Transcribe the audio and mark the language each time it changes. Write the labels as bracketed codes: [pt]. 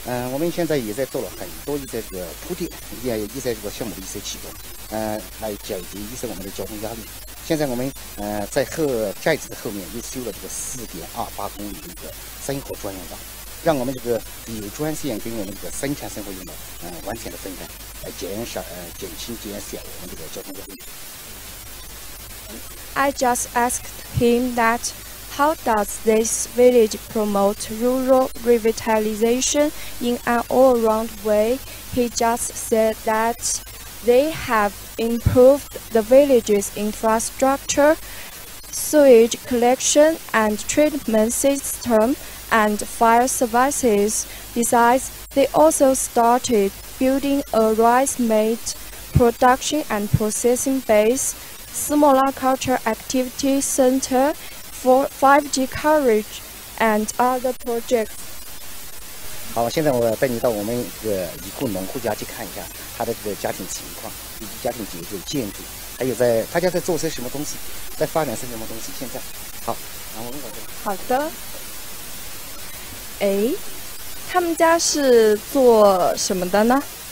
[zh] 我们现在也在做了很多一些这个铺垫，一些这个项目的一些启动，来解决一些我们的交通压力。现在我们在寨子的后面又修了这个4.28公里的一个生活专用道，让我们这个底砖线跟我们这个生产生活用的完全的分开，来减小我们这个交通压力。 [en] I just asked him that how does this village promote rural revitalization in an all-around way? He just said that they have improved the village's infrastructure, sewage collection and treatment system, and fire services. Besides, they also started building a rice-made production and processing base. Simola Culture Activity Center for 5G Coverage and other projects. [zh] 好，现在我带你到我们这个已故农户家去看一下他的这个家庭情况、家庭结构、建筑，还有在他家在做些什么东西，在发展些什么东西。现在，好，然后我们走。好的。哎，他们家是做什么的呢？